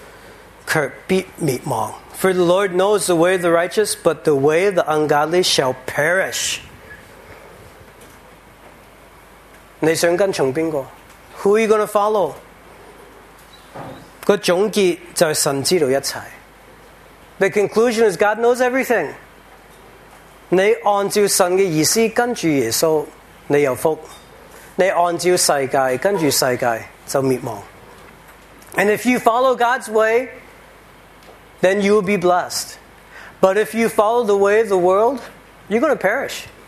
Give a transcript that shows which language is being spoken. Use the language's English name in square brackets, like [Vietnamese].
[Chinese] 第六節,因為耶和華知道義人的道路,惡人的道路,卻必滅亡. [English] For the Lord knows the way of the righteous, but the way of the ungodly shall perish. [Chinese] 你想跟從誰? [English] Who are you going to follow? [Chinese] 總結就是神知道一切。 [English] The conclusion is God knows everything. [Chinese] 你按照神的意思跟住耶稣, 你有福, 你按照世界跟住世界, 就滅亡。 [English] And if you follow God's way, then you will be blessed. But if you follow the way of the world, you're going to perish.